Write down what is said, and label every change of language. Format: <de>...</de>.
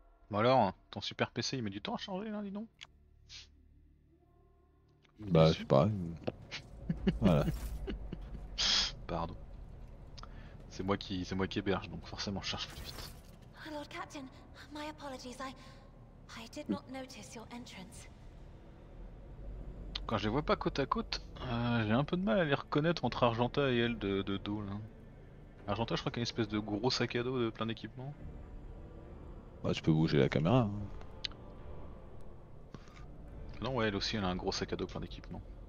<fr>Bon alors, ton super PC il met du temps à changer là, dis donc. Bah, c'est pareil. Voilà. Pardon. C'est moi qui héberge, donc forcément je charge plus vite.</fr> <en>My lord captain, my apologies, I did not notice your entrance.</en> <fr>Quand je les vois pas côte à côte, j'ai un peu de mal à les reconnaître entre Argenta et elle de dos là. Argenta, je crois qu'il y a une espèce de gros sac à dos de plein d'équipements. Bah tu peux bouger la caméra. Non ouais, elle aussi elle a un gros sac à dos plein d'équipements.</fr>